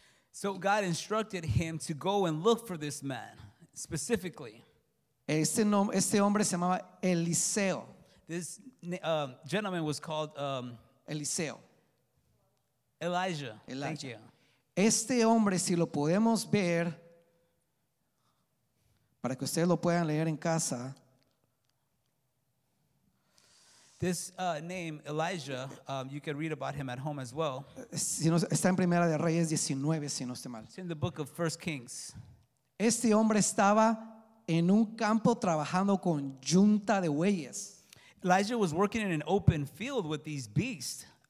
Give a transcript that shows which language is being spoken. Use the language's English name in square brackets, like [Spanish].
[English] So God instructed him to go and look for this man, specifically. [Spanish] Este hombre se llamaba Eliseo. [English] This gentleman was called [Spanish] Eliseo. [English] Elijah. Elijah. Thank you. [Spanish] Este hombre, si lo podemos ver, para que ustedes lo puedan leer en casa. [English] This name, Elijah, you can read about him at home as well. [Spanish] Está en Primera de Reyes 19, si no estoy mal. [English] It's in the book of 1 Kings. [Spanish] Este hombre estaba en un campo trabajando con yunta de bueyes. [English] Elijah was working in an open field with these beasts.